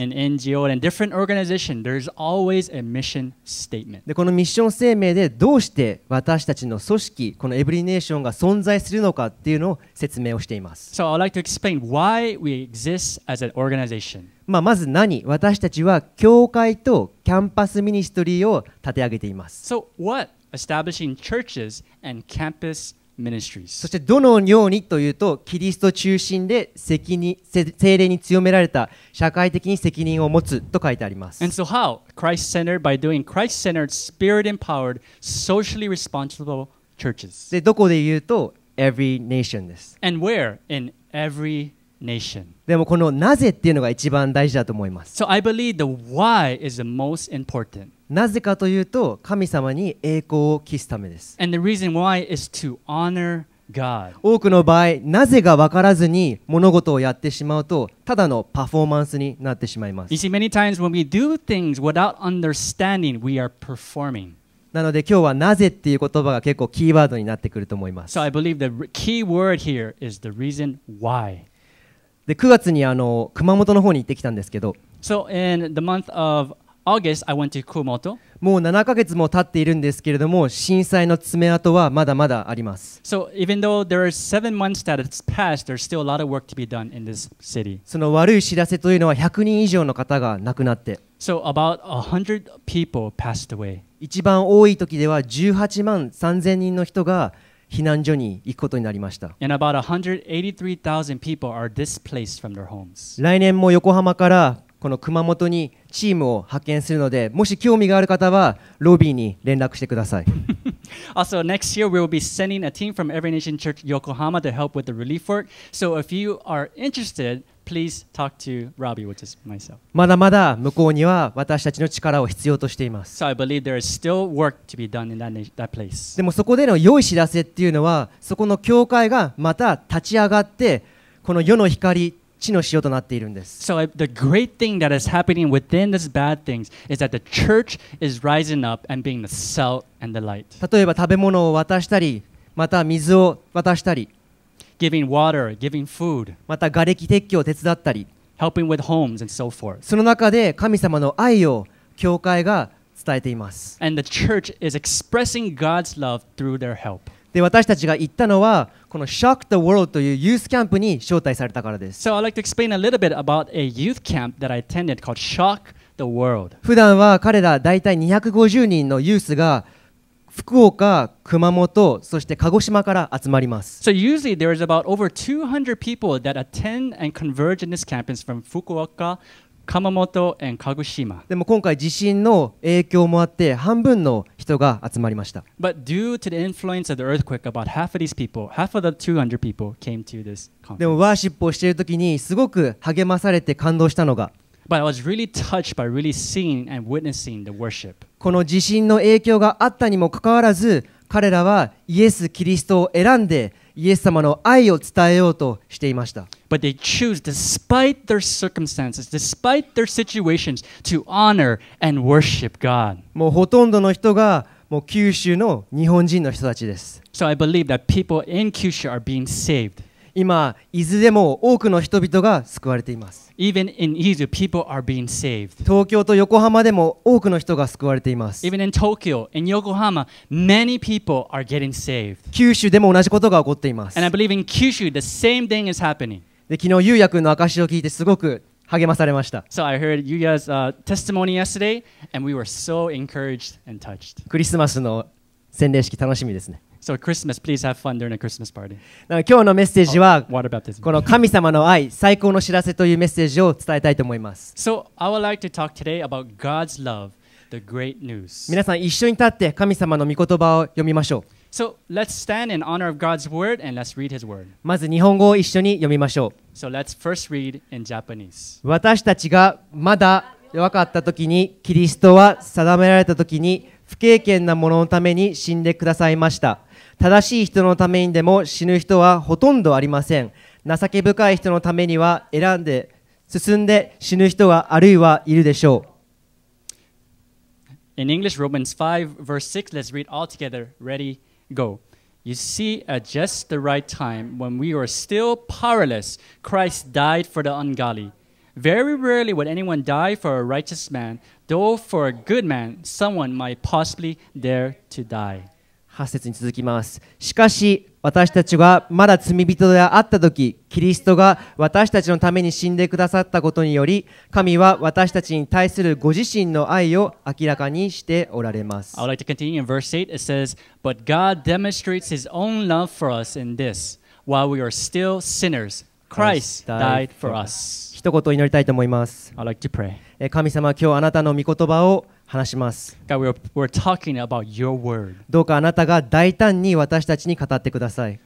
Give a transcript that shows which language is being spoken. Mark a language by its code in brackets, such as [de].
[en] An NGO and different organization, there's always a mission statement. [ja] で、このミッション声明でどうして私たちの組織、このEvery Nationが存在するのかっていうのを説明をしています。 [en] So, I'd like to explain why we exist as an organization. [ja] まあ、まず何私たちは教会とキャンパスミニストリーを立て上げています。 [en] So what? Establishing churches and campus ministries. [ja] そしてどのようにというと、キリスト中心で責任、聖霊に強められた社会的に責任を持つと書いてあります。 [en] And so how? Christ-centered by doing Christ-centered, Spirit-empowered, socially responsible churches. [ja] で、どこで言うと、Every Nation です。 [en] And where? In every nation. Nation. [ja] でもこのなぜっていうのが一番大事だと思います。 [en] So I believe the why is the most important. [ja] なぜかというと神様に栄光を期すためです。 [en] And the reason why is to honor God. [ja] 多くの場合なぜが分からずに物事をやってしまうとただのパフォーマンスになってしまいます。 [en] You see, many times when we do things without understanding, we are performing. [ja] なので今日はなぜっていう言葉が結構キーワードになってくると思います。 [en] So I believe the key word here is the reason why. [ja] で、9月にあの熊本の方に行ってきたんですけど。 [en] So in the month of August, I went to Kumamoto. [ja] もう7ヶ月も経っているんですけれども、震災の爪痕はまだまだあります。 [en] So even though there are 7 months that has passed, there's still a lot of work to be done in this city. [ja] その悪い知らせというのは100人以上の方が亡くなって。 [en] So about 100 people passed away. [ja] 一番多い時では18万3000人の人が避難所に行くことになりました。 [en] And about 183,000 people are displaced from their homes. [ja] 来年も横浜からこの熊本にチームを派遣するので、もし興味がある方はロビーに連絡してください。 [en] Also, next year we will be sending a team from Every Nation Church Yokohama to help with the relief work. So if you are interested, please talk to Robbie, which is myself. [ja] まだまだ向こうには私たちの力を必要としています。 [en] So I believe there is still work to be done in that place. [ja] でもそこでの良い知らせっていうのは、そこの教会がまた立ち上がってこの世の光地の塩となっているんです。 [en] So the great thing that is happening within these bad things is that the church is rising up and being the salt and the light. [ja] 例えば食べ物を渡したり、また水を渡したり、 [en] giving water, giving food, [ja] また瓦礫撤去を手伝ったり、 [en] helping with homes and so forth. [ja] その中で神様の愛を教会が伝えています。 [en] And the church is expressing God's love through their help. [ja] で私たちが行ったのはこの Shock the World というユースキャンプに招待されたからです。 [en] So I'd like to explain a little bit about a youth camp that I attended called Shock the World. [ja] 普段は彼らだいたい250人のユースが福岡、熊本、そして鹿児島から集まります。 [en] So usually there is about over 200 people that attend and converge in this camp is from Fukuoka, Kumamoto, and Kagoshima. [ja] でも今回地震の影響もあって半分の人が集まりました。 [en] But due to the influence of the earthquake, about half of these people, half of the 200 people came to this conference. [ja] でもワーシップをしている時にすごく励まされて感動したのが、 [en] But I was really touched by really seeing and witnessing the worship. [ja] この地震の影響があったにもかかわらず、彼らはイエス・キリストを選んでイエス様の愛を伝えようとしていました。 [en] But they choose, despite their circumstances, despite their situations, to honor and worship God. [ja] もうほとんどの人がもう九州の日本人の人たちです。 [en] So I believe that people in Kyushu are being saved. [ja] 今、伊豆でも多くの人々が救われています。 [en] Even in Izu, people are being saved. [ja] 東京と横浜でも多くの人が救われています。 [en] Even in Tokyo, in Yokohama, many people are getting saved. [ja] 九州でも同じことが起こっています。 [en] And I believe in Kyushu, the same thing is happening. [ja] で、昨日、ゆうやくんの証を聞いてすごく励まされました。 [en] So I heard Yuya's testimony yesterday, and we were so encouraged and touched. [ja] クリスマスの洗礼式楽しみですね。 [en] So Christmas, please have fun during a Christmas party. [ja] 今日のメッセージは、この神様の愛、最高の知らせというメッセージを伝えたいと思います。 [en] So I would like to talk today about God's love, the great news. [ja] 皆さん一緒に立って神様の御言葉を読みましょう。 [en] So let's stand in honor of God's word and let's read His word. [ja] まず日本語を一緒に読みましょう。 [en] So let's first read in Japanese. [ja] 私たちがまだ弱かった時に、キリストは定められた時に、不敬虔な者のために死んでくださいました。正しい人のためにでも死ぬ人はほとんどありません。情け深い人のためには選んで進んで死ぬ人はあるいはいるでしょう。 [en] In English, Romans 5, verse 6, let's read all together. Ready, go. You see, at just the right time, when we were still powerless, Christ died for the ungodly. Very rarely would anyone die for a righteous man, though for a good man, someone might possibly dare to die. [ja] 8節に続きます。しかし私たちがまだ罪人であった時、キリストが私たちのために死んでくださったことにより、神は私たちに対するご自身の愛を明らかにしておられます。 [en] I would like to continue in verse 8. It says, But God demonstrates His own love for us in this. While we are still sinners, Christ died for us. [ja] 一言祈りたいと思います。 [en] I would like to pray. [ja] 神様、今日あなたの御言葉を話します。 [en] God, we're talking about your word. [ja] どうかあなたが大胆に私たちに語ってください。